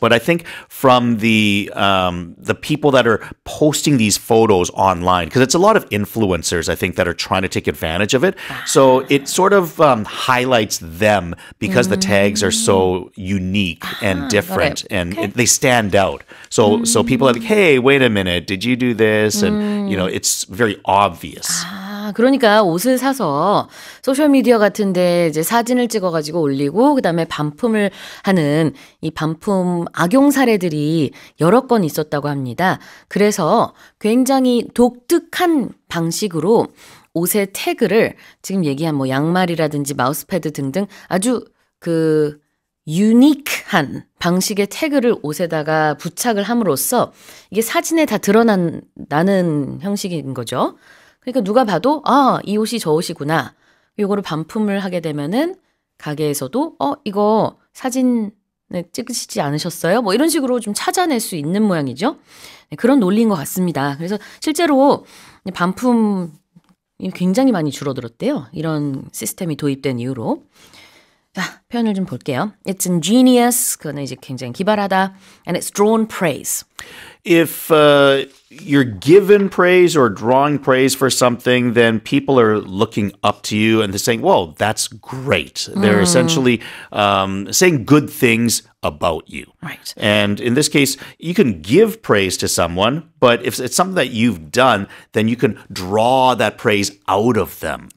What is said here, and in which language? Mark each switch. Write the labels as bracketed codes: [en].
[en] But I think from the people that are posting these photos online, because it's a lot of influencers, I think, that are trying to take advantage of it. So it sort of highlights them because the tags are so unique and different and it, they stand out. So so people are like, hey, wait a minute, did you do this? And, you know, it's very obvious. [ko] 그러니까 옷을 사서 소셜미디어 같은데 이제 사진을 찍어가지고 올리고 그다음에 반품을 하는 이 반품 악용 사례들이 여러 건 있었다고 합니다. 그래서 굉장히 독특한 방식으로 옷의 태그를 지금 얘기한 뭐 양말이라든지 마우스패드 등등 아주 그 유니크한 방식의 태그를 옷에다가 부착을 함으로써 이게 사진에 다 드러나는 형식인 거죠. 그러니까 누가 봐도 아, 이 옷이 저 옷이구나. 요거를 반품을 하게 되면은 가게에서도 어, 이거 사진에 찍으시지 않으셨어요? 뭐 이런 식으로 좀 찾아낼 수 있는 모양이죠. 네, 그런 논리인 것 같습니다. 그래서 실제로 반품이 굉장히 많이 줄어들었대요. 이런 시스템이 도입된 이후로. 자, 표현을 좀 볼게요. [en] It's ingenious. [ko] 그거는 이제 굉장히 기발하다. [en] And it's drawn praise. If you're given praise or drawing praise for something, then people are looking up to you and they're saying, well, that's great. They're essentially saying good things about you. Right. And in this case, you can give praise to someone, but if it's something that you've done, then you can draw that praise out of them.